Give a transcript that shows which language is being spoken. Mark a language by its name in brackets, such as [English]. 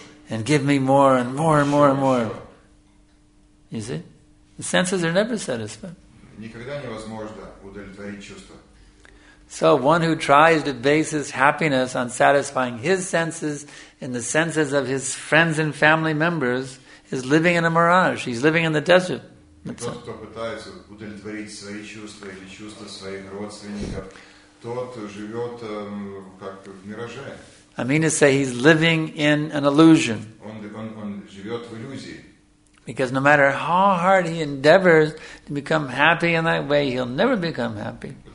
[English] And give me more and more and more and more. You see? The senses are never satisfied. [Russian] Никогда невозможно удовлетворить чувства. [English] So one who tries to base his happiness on satisfying his senses and the senses of his friends and family members is living in a mirage. He's living in the desert. [Russian] Тот, кто пытается удовлетворить свои чувства или чувства своих родственников, тот живет как в мираже. [English] I mean to say he's living in an illusion. [Russian] Он живет в иллюзии. [English] Because no matter how hard he endeavors to become happy in that way, he'll never become happy.